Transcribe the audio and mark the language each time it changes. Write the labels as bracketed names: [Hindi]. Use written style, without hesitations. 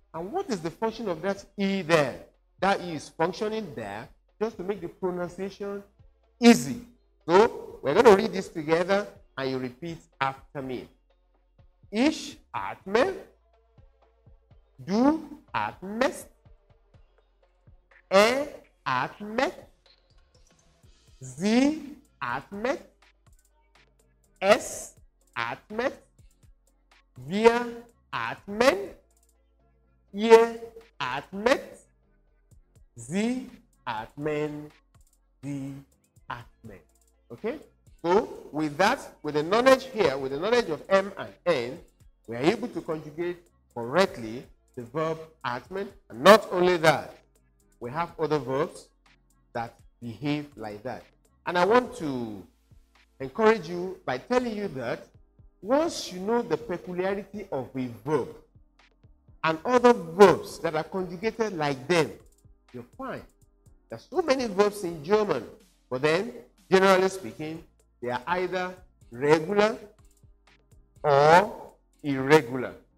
[English] And what is the function of that E there? That E is functioning there just to make the pronunciation easy. So, we're going to read this together and you repeat after me. [German] Ish atmen. Du atmest, er atmet, sie atmet, es atmet, wir atmen, ihr atmet, sie atmen, sie atmen. [English] Okay? So, with that, with the knowledge here, with the knowledge of M and N, we are able to conjugate correctly the verb atmen, and not only that, we have other verbs that behave like that. And I want to encourage you by telling you that once you know the peculiarity of a verb and other verbs that are conjugated like them, you'll find there are so many verbs in German, but then, generally speaking, they are either regular or irregular.